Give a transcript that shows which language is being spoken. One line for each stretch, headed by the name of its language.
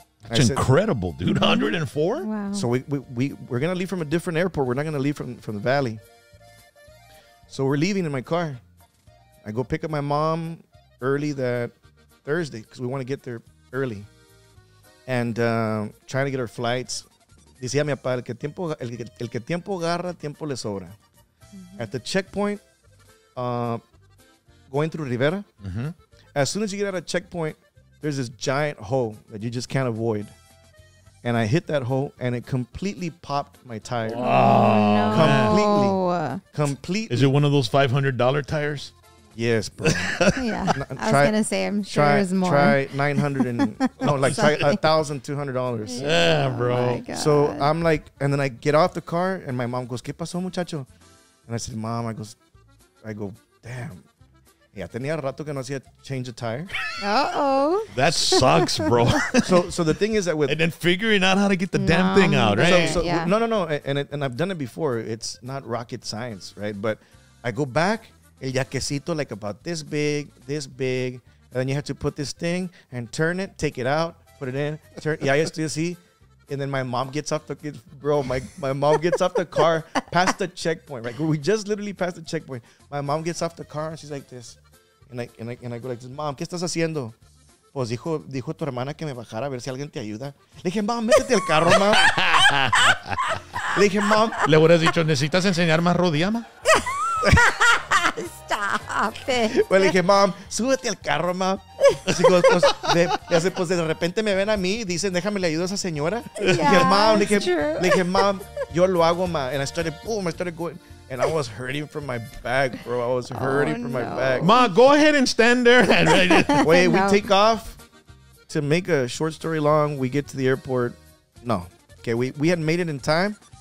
English: incredible, dude. 104? Wow. So we're going to leave from a different airport. We're not going to leave from the valley. So we're leaving in my car. I go pick up my mom early that Thursday because we want to get there early. And trying to get our flights.
Spanish: Dice mi papá, el que tiempo agarra, tiempo le sobra.
English: At the checkpoint, going through Rivera, as soon as you get out of checkpoint, there's this giant hole that you just can't avoid. And I hit that hole, and it completely popped my tire. Oh, no. Completely. Is it one of those $500 tires? Yes, bro. Yeah, I was going to say, I'm sure there's more. Try $900 and, no, like $1,200. Yeah, bro. Oh my God. So I'm like, and then I get off the car, and my mom goes,
Spanish: ¿Qué pasó, muchacho?
English: And I said, Mom, I go, damn.
Spanish: Ya tenía rato que no hacía
English: change of tire. Uh-oh. That sucks, bro. So the thing is that with... And then figuring out how to get the damn thing out, right? No. And I've done it before. It's not rocket science, right? But I go back,
Spanish: el yaquecito,
English: like about this big. And then you have to put this thing and turn it, take it out, put it in, turn. Yeah, you still see. And then my mom gets off the car past the checkpoint, right? We just literally passed the checkpoint. My mom gets off the car and she's like this. And I go like this, Mom,
Spanish: ¿qué estás haciendo? Pues dijo tu hermana que me bajara a ver si alguien te ayuda. Le dije, Mom, métete al carro, Mom. Le dije, Mom. Le hubieras dicho, ¿necesitas enseñar más rodilla, Mom?
English: Stop it.
Spanish: Bueno, le dije, Mom, súbete al carro, Mom. Así que, pues de repente me ven a mí y dicen, déjame le ayudo a esa señora.
English: Yeah,
Spanish: le dije, Mom, le dije, Mom, yo lo hago, Mom.
English: And I started going. And I was hurting from my back, bro. I was hurting from my back. Mom, go ahead and stand there. Wait, no. We take off. To make a short story long, we get to the airport. No. Okay, we had made it in time.